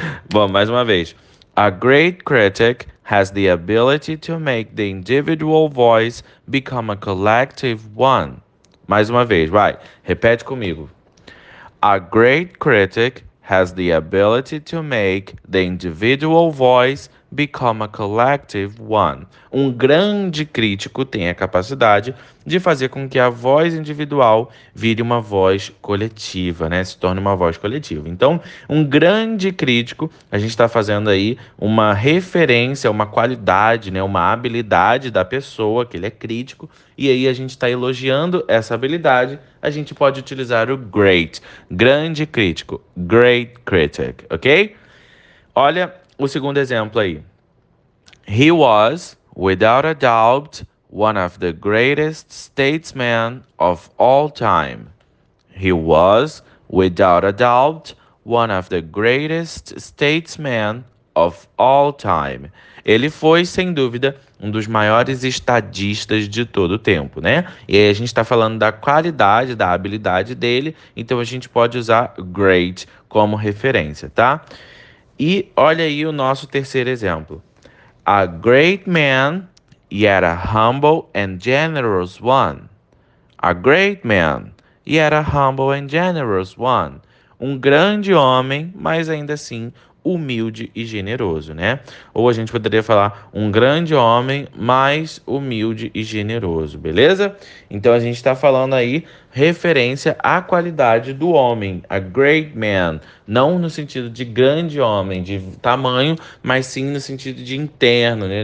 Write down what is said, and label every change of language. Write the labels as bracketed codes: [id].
[pt] Bom, mais uma vez. [en] A great critic has the ability to make the individual voice become a collective one. [pt] Mais uma vez, vai. Repete comigo. [en] A great critic has the ability to make the individual voice become a collective one. [pt] Um grande crítico tem a capacidade de fazer com que a voz individual vire uma voz coletiva, né? Se torne uma voz coletiva. Então, um grande crítico, a gente está fazendo aí uma referência, uma qualidade, né? Uma habilidade da pessoa, que ele é crítico, e aí a gente está elogiando essa habilidade. A gente pode utilizar o great, grande crítico, [en] great critic, [pt] ok? Olha o segundo exemplo aí. [en] He was Without a doubt, one of the greatest statesmen of all time. He was, without a doubt, one of the greatest statesmen of all time. [pt] Ele foi, sem dúvida, um dos maiores estadistas de todo o tempo, né? E aí a gente está falando da qualidade, da habilidade dele, então a gente pode usar great como referência, tá? E olha aí o nosso terceiro exemplo. [en] A great man, yet a humble and generous one. A great man, yet a humble and generous one. [pt] Um grande homem, mas ainda assim humilde e generoso, né? Ou a gente poderia falar um grande homem, mas humilde e generoso, beleza? Então a gente está falando aí referência à qualidade do homem, [en] a great man, [pt] não no sentido de grande homem, de tamanho, mas sim no sentido de interno, né?